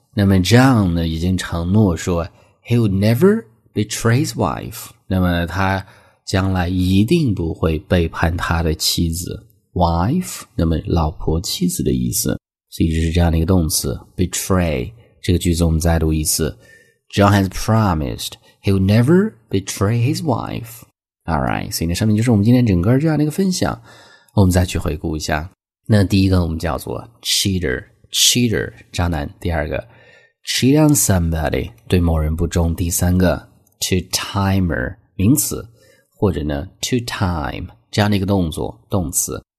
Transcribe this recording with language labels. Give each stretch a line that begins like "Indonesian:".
Chinese: 那么 John 呢已经承诺说
English: He'll never betray his wife，
Chinese: 那么他将来一定不会背叛他的妻子。 Wife 那么老婆妻子的意思，所以这是这样的一个动词 Betray。这个句子我们再读一次，
English: John has promised he'll never betray his wife。
Chinese: Alright， 所以那上面就是我们今天整个这样的一个分享。我们再去回顾一下，那第一个我们叫做 Cheater， Cheater 渣男。第二个
English: Cheat on somebody，
Chinese: 对某人不忠。第三个 Two-timer 名词，或者呢 Two-time 这样的一个动作动词。